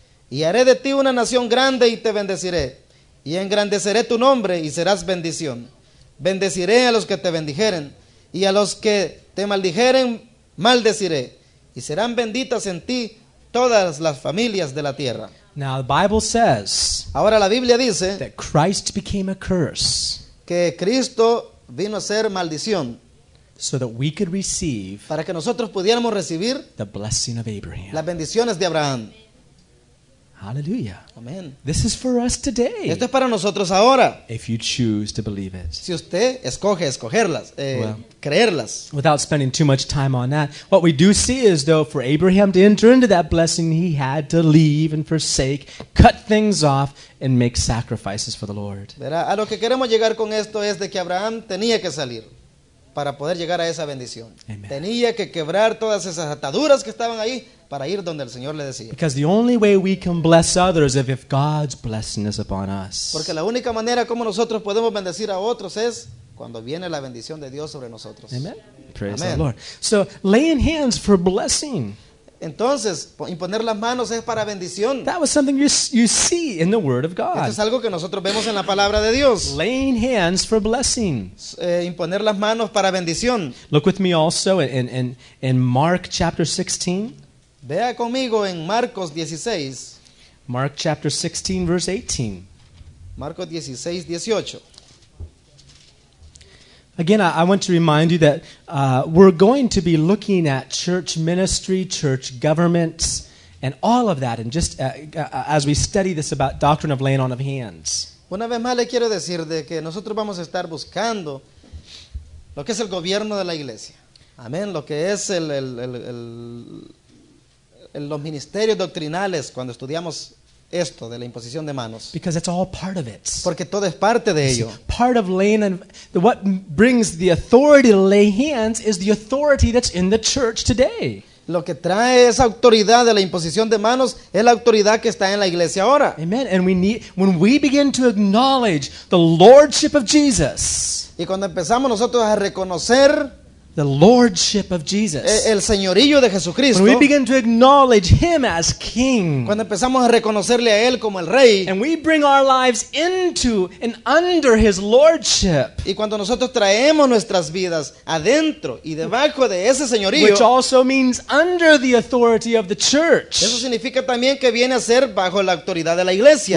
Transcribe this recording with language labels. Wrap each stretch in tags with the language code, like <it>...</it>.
<es>Y haré de ti una nación grande y te bendeciré, y engrandeceré tu nombre y serás bendición. Bendeciré a los que te bendijeren, y a los que te maldijeren, maldeciré. Y serán benditas en ti todas las familias de la tierra.</es> <en>Now the Bible says,</en> <es>ahora la Biblia dice,</es> <en>that Christ became a curse,</en> <es>que Cristo vino a ser maldición,</es> <en>so that we could receive,</en> <es>para que nosotros pudiéramos recibir,</es> <en>the blessing of Abraham,</en> <es>las bendiciones de Abraham.</es> <en>Hallelujah. Amen. This is for us today.</en> <es>Esto es para nosotros ahora.</es> <en>If you choose to believe it.</en> <es>Si usted escoge escogerlas, creerlas.</es> <en>Without spending too much time on that, what we do see is, though, for Abraham to enter into that blessing, he had to leave and forsake, cut things off, and make sacrifices for the Lord.</en> <es>Verá, a lo que queremos llegar con esto es de que Abraham tenía que salir para poder llegar a esa bendición. Amen. Tenía que quebrar todas esas ataduras que estaban ahí para ir donde el Señor le decía.</es> <en>Because the only way we can bless others is if God's blessing is upon us.</en> <es>Porque la única manera como nosotros podemos bendecir a otros es cuando viene la bendición de Dios sobre nosotros.</es> <en>Amen. Praise the Lord. So, laying hands for blessing.</en> <es>Entonces, imponer las manos es para bendición.</es> <en>That was something you see in the Word of God.</en> <es>Esto es algo que nosotros vemos en la palabra de Dios.</es> <en>Laying hands for blessings.</en> <es>Imponer las manos para bendición.</es> <en>Look with me also in Mark chapter 16.</en> <es>Vea conmigo en Marcos 16.</es> <en>Mark chapter 16 verse 18.</en> <es>Marcos 16, 18.</es> <en>Again, I want to remind you that we're going to be looking at church ministry, church government, and all of that, and just as we study this about doctrine of laying on of hands.</en> <es>Una vez más le quiero decir de que nosotros vamos a estar buscando lo que es el gobierno de la iglesia. Amén. Lo que es los ministerios doctrinales cuando estudiamos esto de la imposición de manos.</es> <en>Because it's all part of it.</en> <es>Porque todo es parte de ello.</es> <en>See, part of laying and what brings the authority to lay hands is the authority that's in the church today.</en> <es>Lo que trae esa autoridad de la imposición de manos es la autoridad que está en la iglesia ahora. Amen.</es> <en>And when we begin to acknowledge the lordship of Jesus.</en> <es>Y cuando empezamos nosotros a reconocer</es> <en>the lordship of Jesus.</en> <es>El señorío de Jesucristo.</es> <en>When we begin to acknowledge him as king.</en> <es>Cuando empezamos a reconocerle a él como el rey.</es> <en>And we bring our lives into and under his lordship.</en> <es>Y cuando nosotros traemos nuestras vidas adentro y debajo de ese señorío.</es> <en>Which also means under the authority of the church.</en> <es>Eso significa también que viene a ser bajo la autoridad de la iglesia.</es>